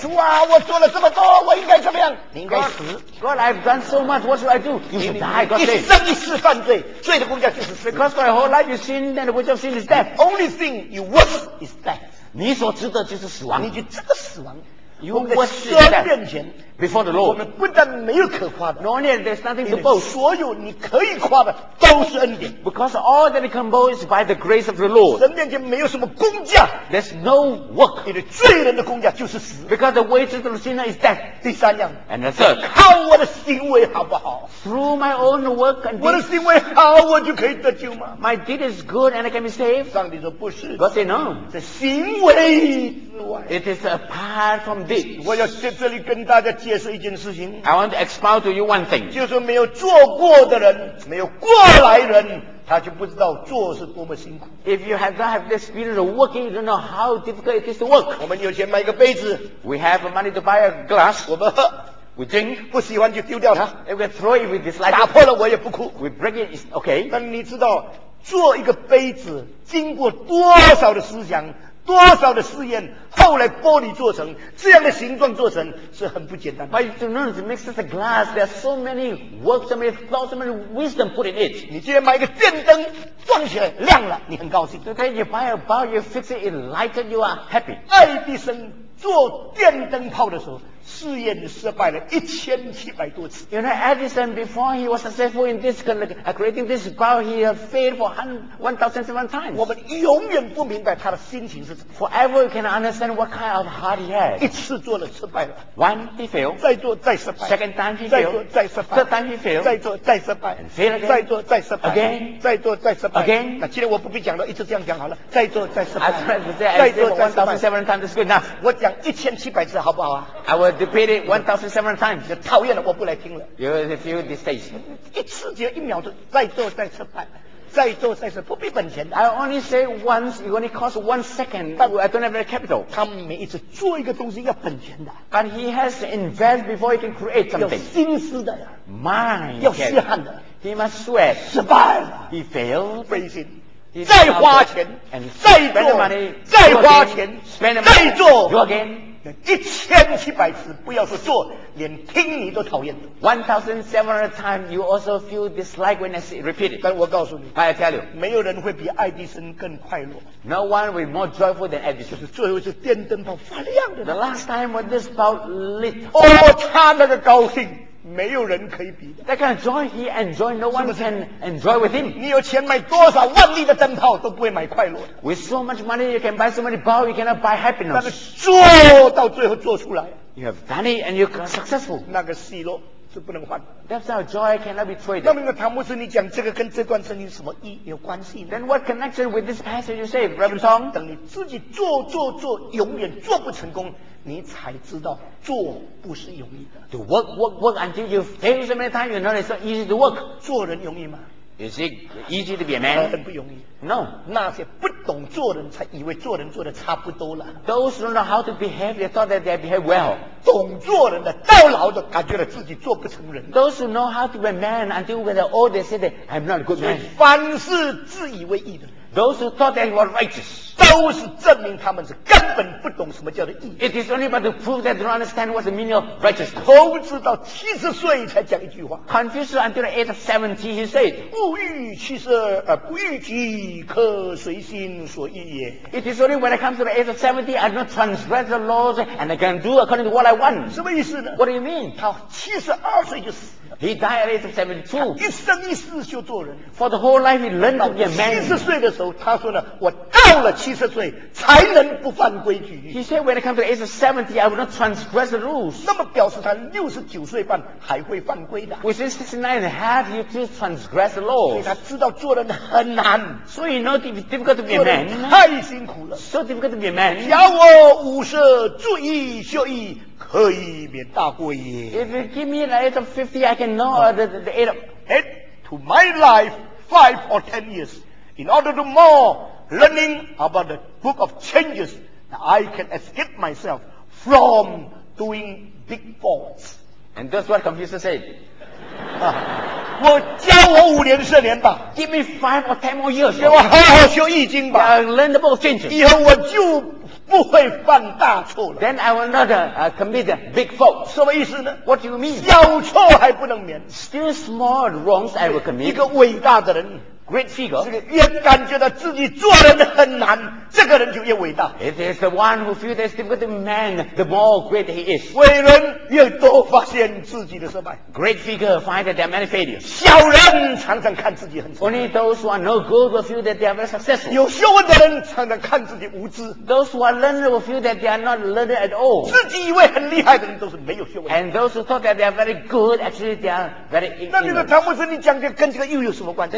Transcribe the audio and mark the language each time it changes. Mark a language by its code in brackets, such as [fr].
[zh] 主啊，我做了这么多，我应该怎么样？你应该死。 [en] God, I've done so much. What should I do? You should die. God said. [zh] 一生一世犯罪，罪的工价就是死。 [en] Because for your whole life you sin, and the wages of sin is death. The only thing you worth is death. [zh] 你所值得就是死亡。你就这个死亡。 [en] You worth is death. [zh] 我们在神面前 [en] ，before the Lord， [zh] 我们不但没有可夸的 [en] ，no need, there's nothing to boast. [zh] 所有你可以夸的都是恩典。 [en] Because all that you can boast is by the grace of the Lord. [zh] 神面前没有什么工价 [en] ，there's no work. [zh] 你的罪人的工价就是死。 [en] Because the wages of sin is death. [zh] 第三样 [en] ，and the third， [zh] 靠我的行为好不好 [en] ？Through my own work and [zh] deeds. 我的行为好，我就可以得救吗 [en] ？My deed is good and I can be saved. [zh] 上帝说不是 [en] ，God said no. [zh] 是行为。 [en] It is apart from this. [zh] 我要在这里跟大家解释一件事情。 [en] I want to explain to you one thing. [zh] 就是没有做过的人，没有过来人，他就不知道做是多么辛苦。 [en] If you have not have the experience of working, you don't know how difficult it is to work. [zh] 我们有钱买一个杯子。 [en] We have money to buy a glass. [zh] 我们喝。 [en] We drink. [zh] 不喜欢就丢掉它。 [en] If we throw it, we dislike. [zh] 打破了我也不哭。 [en] We break it, okay. [zh] 但你知道做一个杯子经过多少的思想？多少的试验，后来玻璃做成这样的形状做成是很不简单的。 [en] But you know, to make such a glass, there are so many works, so many thoughts, so many wisdom put in it. [zh] 你今天买一个电灯，装起来亮了，你很高兴。 [en] Today you buy a bulb, you fix it, it lights, you are happy. [zh] 爱迪生做电灯泡的时候。试验失败了1700多次。 [en] You know, Edison before he was successful in this creating this bulb, he had failed for 1,700 times. [zh] 我们永远不明白他的心情是什么。 [en] Forever you can understand what kind of heart he had. [zh] 一次做了失败了。 [en] One he failed. [zh] 再做再失败。 [en] Second time he failed. [zh] 再做再失败。 [en] Third time he failed. [zh] 再做再失败。 [en] And fail again. [zh] 再做再失败。 [en] Again. [zh] 再做再失败。 [en] Again. [zh] 那今天我不必讲了，一直这样讲好了。再做再失败。 [en] I tried to say I failed 1,700 times. Good enough. [zh] 我讲1700次好不好啊 [en] ？I will. Repeated 1,700 times. [zh] 你讨厌了，我不来听了。 [en] You have a few distaste. [zh] 一次只有一秒钟，再做再失败，再做再失败，不必本钱的。 [en] I only say once. It only costs 1 second. But I don't have any capital. [zh] 他每一次做一个东西要本钱的。 [en] But he has to invest before he can create something. [zh] 要心思的呀。 [en] Mind. [zh] 要血汗的。 [en] He must sweat. [zh] 失败了。 [en] He failed. [zh] 费心。再花钱。 [en] And [zh] 再做。 [en] Spend the money. [zh] 再花钱。 [en] Spend the money. [zh] 再做。 [en] Do again. [zh] 1700次，不要说做，连听你都讨厌。 [en] 1,700 times, you also feel dislike when I say repeat it. [zh] 但我告诉你 [en] ，I tell you， [zh] 没有人会比爱迪生更快乐。 [en] No one will more joyful than Edison. [zh] 就是最后是电灯泡发亮的。 [en] The last time when this bulb lit, [zh] 哦，他那个高兴。没有人可以比的。 [en] That kind of joy he enjoyed, no one can enjoy with him. [zh] 你有钱买多少万粒的灯泡都不会买快乐的。 [en] With so much money, you can buy so many bulbs, you cannot buy happiness. [zh] 但是做到最后做出来。 [en] You have done it and you are successful. [zh] 那个喜乐。是不能换。 [en] That's how joy cannot be traded. [zh] 那么唐牧师，你讲这个跟这段圣经什么意有关系呢 [en] ？Then what connection with this passage you say, Reverend Tong? [zh] 等你自己做做做，永远做不成功。你才知道做不是容易的。 [en] To work, work, work until you fail so many times, you know it's not easy to work. [zh] 做人容易吗 [en] ？Is it easy to be a man? [zh] 很不容易。 [en] No, [zh] 那些不懂做人才以为做人做得差不多了。 [en] Those who know how to behave, they thought that they behave well. [zh] 懂做人的到老都感觉了自己做不成人。 [en] Those who know how to be a man until when they're old, they say that I'm not a good man. [zh] 凡是自以为义的。 [en] Those who thought they were righteous. [zh] 都是证明他们是根本不懂什么叫做义。 [en] It is only about to prove that they don't understand what's the meaning of righteousness. [zh] 口直到七十岁才讲一句话。 [en] Confused until the age of 70, he said, [zh] 物欲其实而不欲己，可随心所欲也。 [en] It is only when I come to the age of 70, I don't transgress the laws and I can do according to what I want. [zh] 什么意思呢？ [en] What do you mean? [zh] 他七十二岁就死。 [en] He died at the age of 72. [zh] 一生一世就做人。 [en] For the whole life, he learned to be a man. [zh] 七十岁的时候，他说呢，我到了七十岁才能不犯规矩。 [en] He said, when I come to the age of 70, I will not transgress the rules. [zh] 那么表示他六十九岁半还会犯规的。 [en] Which is 69 and a half, he still transgress the laws. [zh] 所以他知道做人很难。 [en] So he knows it's difficult to be a man. [zh] 太辛苦了。 [en] So difficult to be a man. [zh] 教我五十，注意学艺。可以免大过也。 [en] If you give me the age of 50, I can know the age of... Add to my life 5 or 10 years. In order to more learning about the book of changes, I can escape myself from doing big faults. And that's what Confucius said. [zh] 我教我五年十年吧。 [en] Give me 5 or 10 more years. [zh] 我好好修易经吧。 [en] Learn the book of changes. [zh] 以后我就不会犯大错了。 [en] Then I will not commit a big fault. [zh] 什么意思呢 [en] ？What do you mean？ [zh] 小错还不能免。 [en] Still small wrongs I will commit. [zh] 一个伟大的人 [en] ，great figure， [zh] 这个越感觉到自己做人很难，这个人就越伟大。 [en] It is the one who feels that difficult man, the more great he is. [zh] 伟人越多发现自己的失败。 [en] Great figure find that there are many failures. [zh] 小人常常看自己很 [en] 差。Only those who are no good will feel that they are very successful. [zh] 有学问的人常常看自己无知。 [en] Those who are learned will feel that they are not learned at all. [zh] 自己以为很厉害的人都是没有学问。 [en] And those who thought that they are very good, actually they are very ignorant. [zh] 那你的唐牧师，你讲的跟这个又有什么关系